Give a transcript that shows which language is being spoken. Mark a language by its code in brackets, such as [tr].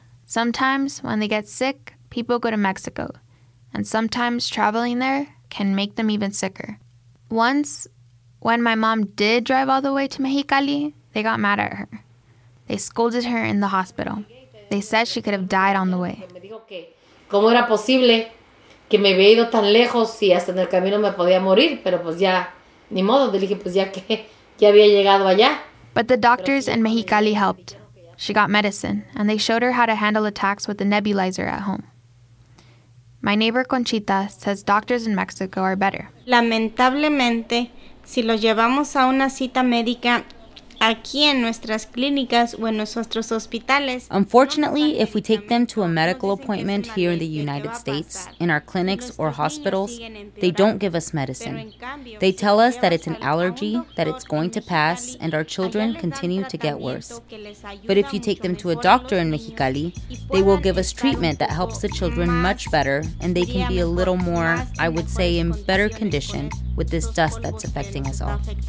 [en] Sometimes when they get sick, people go to Mexico. And sometimes traveling there can make them even sicker. Once, when my mom did drive all the way to Mexicali, they got mad at her. They scolded her in the hospital. They said she could have died on the way. [es] ¿Cómo era posible que me había ido tan lejos y hasta en el camino me podía morir? Pero pues ya, ni modo. Le dije, pues ya que ya había llegado allá. [en] But the doctors in Mexicali helped. She got medicine, and they showed her how to handle attacks with the nebulizer at home. My neighbor Conchita says doctors in Mexico are better. [es] Lamentablemente, si los llevamos a una cita médica aquí en nuestras clínicas o en nuestros hospitales. [en] Unfortunately, if we take them to a medical appointment here in the United States, in our clinics or hospitals, they don't give us medicine. They tell us that it's an allergy, that it's going to pass, and our children continue to get worse. But if you take them to a doctor in Mexicali, they will give us treatment that helps the children much better, and they can be a little more, I would say, in better condition with this dust that's affecting us all.